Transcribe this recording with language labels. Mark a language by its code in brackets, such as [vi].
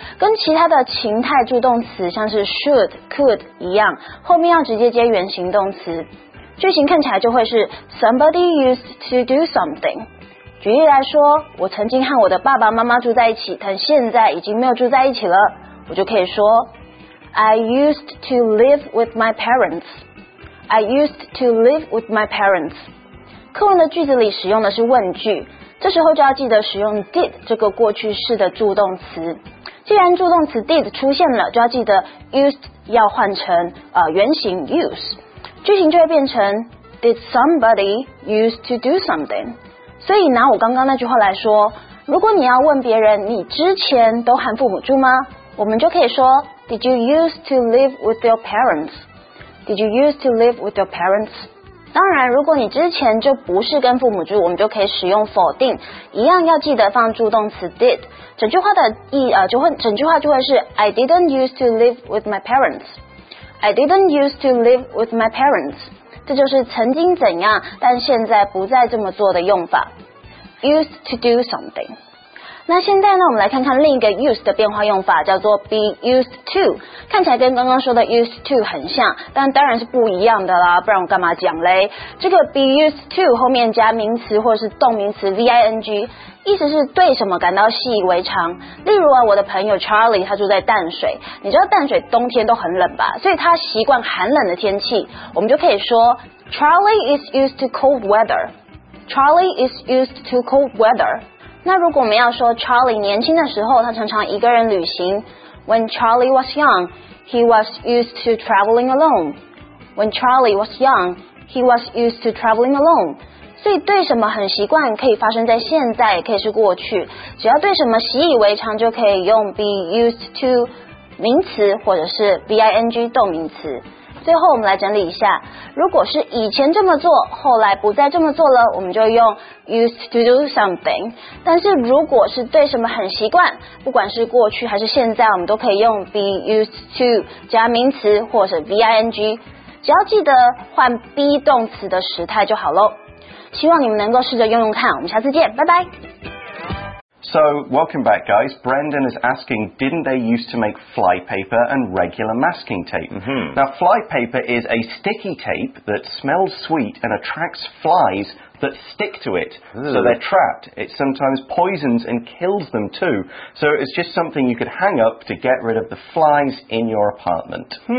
[zh] 跟其他的情态助动词像是 should, could 一样，后面要直接接原形动词，句型看起来就会是 [en] somebody used to do something。 [zh] 举例来说，我曾经和我的爸爸妈妈住在一起，但现在已经没有住在一起了，我就可以说 [en] I used to live with my parents. I used to live with my parents. [zh] 课文的句子里使用的是问句，这时候就要记得使用 did 这个过去式的助动词。既然助动词 did 出现了，就要记得 used 要换成原形 use， 句型就会变成 [en] did somebody used to do something。 [zh] 所以拿我刚刚那句话来说，如果你要问别人你之前都和父母住吗，我们就可以说 [en] did you used to live with your parents， did you used to live with your parents。 [zh] 当然，如果你之前就不是跟父母住，我们就可以使用否定，一样要记得放助动词 did。整句话的意就会整句话就会是 [en] I didn't used to live with my parents. I didn't used to live with my parents. [zh] 这就是曾经怎样，但现在不再这么做的用法。 [en] Used to do something。 [zh] 那现在呢，我们来看看另一个 use 的变化用法，叫做 be used to， 看起来跟刚刚说的 used to 很像，但当然是不一样的啦，不然我干嘛讲嘞。这个 be used to 后面加名词或是动名词 ving， 意思是对什么感到习以为常。例如啊，我的朋友 Charlie 他住在淡水，你知道淡水冬天都很冷吧，所以他习惯寒冷的天气，我们就可以说 [en] Charlie is used to cold weather， Charlie is used to cold weather。那如果我们要说 Charlie 年轻的时候他常常一个人旅行， When Charlie was young, he was used to traveling alone. When Charlie was young, he was used to traveling alone. [zh] 所以对什么很习惯可以发生在现在，可以是过去，只要对什么习以为常就可以用 be used to 名词或者是 ving 动名词。最后我们来整理一下，如果是以前这么做后来不再这么做了，我们就用 [en] used to do something， [zh] 但是如果是对什么很习惯，不管是过去还是现在，我们都可以用 be used to 加名词或者 ving， 只要记得换 be 动词的时态就好咯。希望你们能够试着用用看，我们下次见，拜拜。 [en] So, welcome back, guys. Brendan is asking, didn't they used to make flypaper and regular masking tape? Mm-hmm. Now, flypaper is a sticky tape that smells sweet and attracts flies that stick to it. Ooh. So they're trapped. It sometimes poisons and kills them too. So it's just something you could hang up to get rid of the flies in your apartment.